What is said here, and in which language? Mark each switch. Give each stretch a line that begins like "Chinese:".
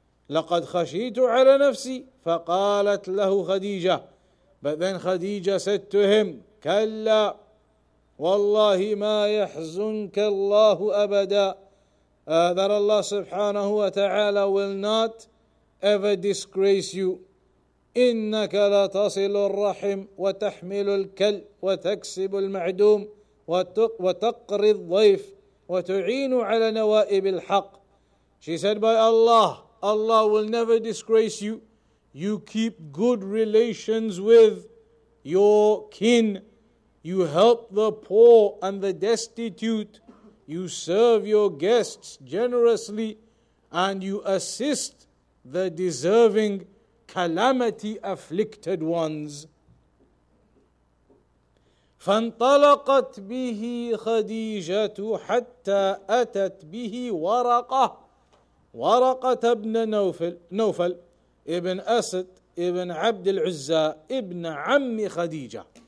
Arabic: لَقَدْ خَشِيتُ عَلَىٰ نَفْسِي. فَقَالَتْ لَهُ خَدِيجَةٌ.
English: But then Khadija said to him,
Arabic: كَلَّا والله ما يحزنك الله أبدا.
English: That Allah subhanahu wa ta'ala will not ever disgrace you.
Arabic: إنك لا تصل الرحم وتحمل الكل وتكسب المعدوم وتقري الضيف وتعين على نوائب الحق.
English: She said, by Allah, Allah will never disgrace you. You keep good relations with your kin. You help the poor and the destitute. You serve your guests generously, and you assist the deserving calamity afflicted ones.
Arabic: فانطلقت به خديجة حتى أتت به ورقة ورقة ابن نوفل ابن أسد ابن عبد العزى ابن عم خديجة.